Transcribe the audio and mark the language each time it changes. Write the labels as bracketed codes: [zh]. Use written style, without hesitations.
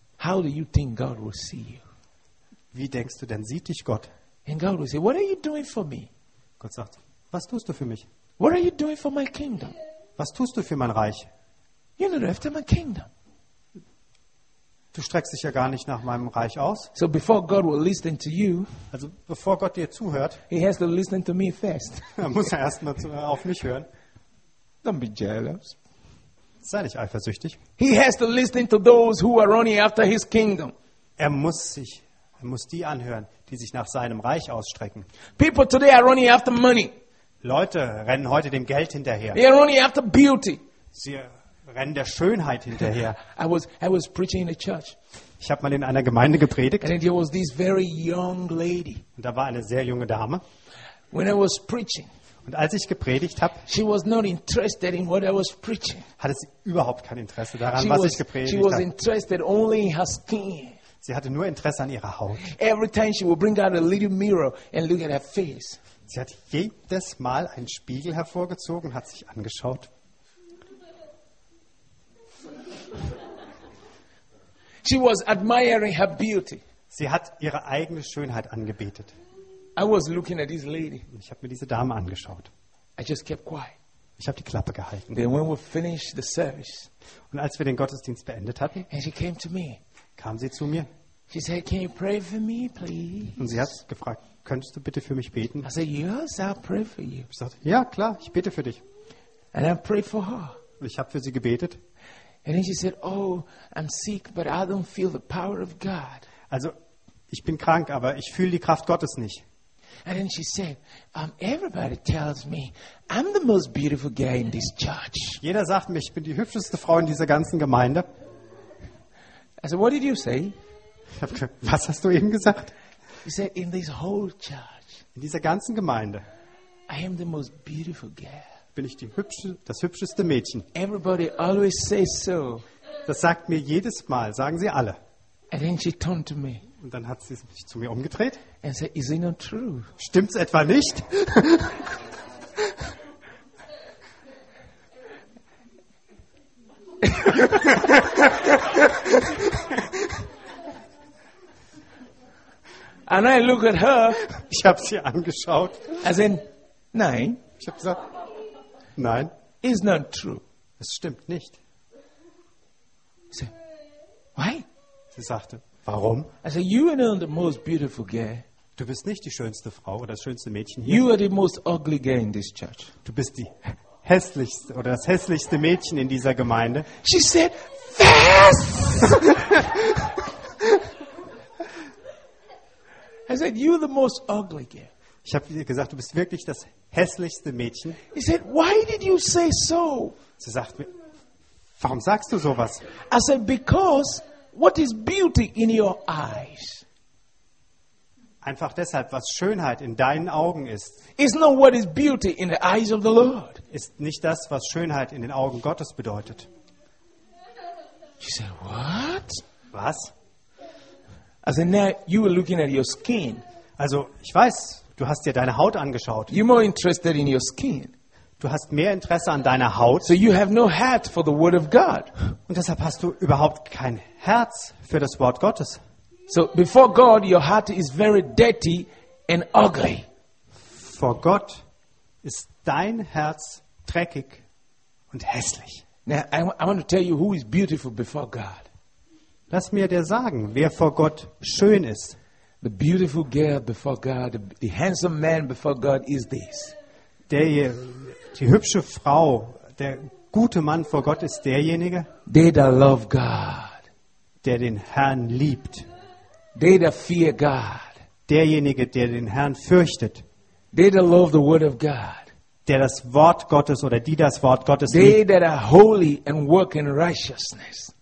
[en] How do you think God will see you? [de] Wie denkst du denn, sieht dich Gott? [en] And God will say, what are you doing for me? [de] Gott sagt, was tust du für mich? [en] What are you doing for my kingdom? [de] Was tust du für mein Reich? [en] You know, after my kingdom. [de] Du streckst dich ja gar nicht nach meinem Reich aus. [en] So before God will listen to you, [de] also bevor Gott dir zuhört, [en] he has to listen to me first. [de] Er muss erst mal auf mich hören. [en] Don't be jealous. [de] Sei nicht eifersüchtig. [en] He has to listen to those who are running after his kingdom. [de] Er muss die anhören, die sich nach seinem Reich ausstrecken. [en] People today are running after money. [de] Leute rennen heute dem Geld hinterher. [en] They are running after beauty. [de] Sie rennen der Schönheit hinterher. [en] I was preaching in a church. [de] Ich habe mal in einer Gemeinde gepredigt. [en] And there was this very young lady. [de] Und da war eine sehr junge Dame. [en] When I was preaching. [de] Und als ich gepredigt habe, [en] she was not interested in what I was preaching. [de] Hatte sie überhaupt kein Interesse daran, was ich gepredigt habe. [en] She was interested only in her skin. [de] Sie hatte nur Interesse an ihrer Haut. [en] Every time she would bring out a little mirror and look at her face. [de] Sie hat jedes Mal einen Spiegel hervorgezogen und hat sich angeschaut. [en] She was admiring her beauty. [de] Sie hat ihre eigene Schönheit angebetet. [en] I was looking at this lady. [de] Ich habe mir diese Dame angeschaut. [en] I just kept quiet. [de] Ich habe die Klappe gehalten. [en] Then when we finished the service, [de] und als wir den Gottesdienst beendet hatten, [en] and she came to me. [de] Kam sie zu mir. [en] She said, "Can you pray for me, please?" [de] Und sie hat gefragt, könntest du bitte für mich beten? [en] I said, "Yes, I'll pray for you." [de] Ich sagte, ja, klar, ich bete für dich. [en] And I prayed for her. [de] Und ich habe für sie gebetet. [en] And then she said, "Oh, I'm sick, but I don't feel the power of God." [de] Also, ich bin krank, aber ich fühle die Kraft Gottes nicht. [en] And then she said, "Everybody tells me I'm the most beautiful guy in this church." [de] Jeder sagt mir, ich bin die hübscheste Frau in dieser ganzen Gemeinde. [en] I said, "What did you say?" [de] Was hast du eben gesagt? [en] He said, "In this whole church." [de] In dieser ganzen Gemeinde. [en] "I am the most beautiful girl." [de] Bin ich das hübscheste Mädchen. [en] "Everybody always says so." [de] Das sagt mir jedes Mal, sagen sie alle. [en] And then she turned to me. [de] Und dann hat sie sich zu mir umgedreht. [en] And said, "Is it not true?" [de] Stimmt's etwa nicht? [en] And I look at her. [de] Ich habe sie angeschaut. [en] As in, nein. [de] Ich habe gesagt, nein. [en] It's not true. [de] Es stimmt nicht. [en] So, why? [de] Sie sagte, warum? [en] I said, "You are not the most beautiful girl." [de] Du bist nicht die schönste Frau oder das schönste Mädchen hier. [en] "You are the most ugly girl in this church." [de] Du bist die hässlichste oder das hässlichste Mädchen in dieser Gemeinde. [en] She said, "Was?" I said, "You're the most ugly girl." [de] Ich habe ihr gesagt, du bist wirklich das hässlichste Mädchen. [en] He said, "Why did you say so?" [de] Sie sagt mir, warum sagst du sowas? [en] I said, "Because what is beauty in your eyes?" [de] Einfach deshalb, was Schönheit in deinen Augen ist. [en] It's not what is beauty in the eyes of the Lord. [de] Ist nicht das, was Schönheit in den Augen Gottes bedeutet. [en] She said, "What?" [de] Was? [en] As in, now you were looking at your skin. [de] Also, ich weiß, du hast dir deine Haut angeschaut. [en] You're more interested in your skin. [de] Du hast mehr Interesse an deiner Haut. [en] So you have no heart for the word of God. [de] Und deshalb hast du überhaupt kein Herz für das Wort Gottes. [en] So before God your heart is very dirty and ugly. [de] Vor Gott ist dein Herz dreckig und hässlich. [en] Now I want to tell you who is beautiful before God. [de] Lass mir dir sagen, wer vor Gott schön ist. [en] The beautiful girl before God, the handsome man before God is this. [de] Die hübsche Frau, der gute Mann vor Gott ist derjenige. [en] They that love God. [de] Der den Herrn liebt. [en] They that fear God. [de] Derjenige, der den Herrn fürchtet. [en] They that love the word of God. [de] Der das Wort Gottes oder die das Wort Gottes [en] they [de] liebt. [en] They that are holy and work in righteousness.